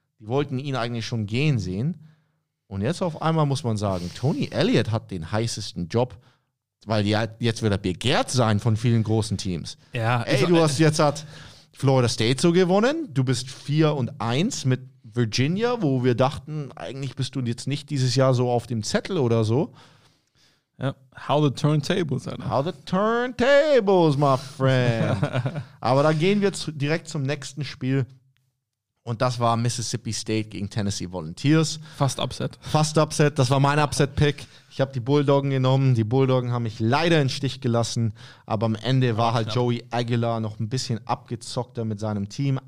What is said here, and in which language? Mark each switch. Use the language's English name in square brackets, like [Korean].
[German] Die wollten ihn eigentlich schon gehen sehen. Und jetzt auf einmal muss man sagen, Tony Elliott hat den heißesten Job, weil jetzt wird er begehrt sein von vielen großen Teams. Ja, Du hast jetzt Florida State so gewonnen, du bist 4-1 mit Virginia, wo wir dachten, eigentlich bist du jetzt nicht dieses Jahr so auf dem Zettel oder so. [English] Ja, how the turntables, Alter. How the turntables, my friend. [German] Aber da gehen wir direkt zum nächsten Spiel. Und das war Mississippi State gegen Tennessee Volunteers. Fast Upset, das war mein Upset-Pick. Ich habe die Bulldoggen genommen, die Bulldoggen haben mich leider in den Stich gelassen. Aber am Ende war halt Joey Aguilar noch ein bisschen abgezockter mit seinem Team.